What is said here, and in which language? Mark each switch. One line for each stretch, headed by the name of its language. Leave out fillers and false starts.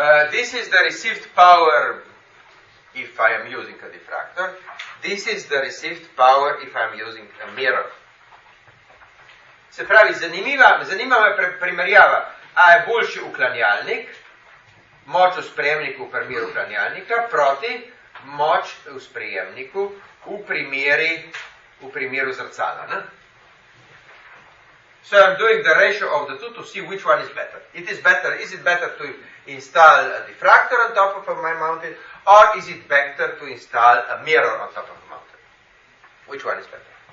English: This is the received power if I am using a diffractor. This is the received power if I am using a mirror.
Slovenian: Se pravi, zanima me primerjava. A je boljši uklanjalnik, moč v sprejemniku v primeru uklanjalnika, proti moč v sprejemniku v primeru zrcala. Ne?
English: So I'm doing the ratio of the two to see which one is better. Is it better to install a diffractor on top of my mountain, or is it better to install a mirror on top of the mountain? Which one is better?